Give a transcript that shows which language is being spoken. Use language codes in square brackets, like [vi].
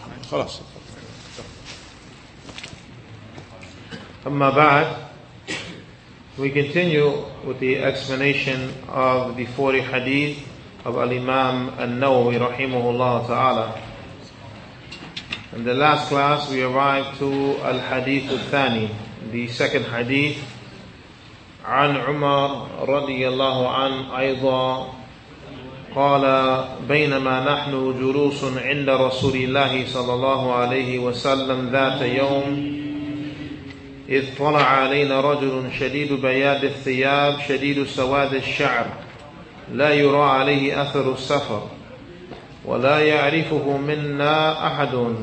[ar] خلاص أما بعد [en] We continue with the explanation of the 40 hadith of Al-Imam An-Nawawi rahimahullah ta'ala. In the last class, we arrived to Al-Hadith Al-Thani, the second hadith. [ar] An Umar radiyallahu an ayda qala baynama nahnu jurusun inda rasulillahi sallallahu alayhi wa sallam dhata yawm إذ طلع علينا رجل شديد بياد الثياب شديد سواد الشعر لا يرى عليه أثر السفر ولا يعرفه منا أحد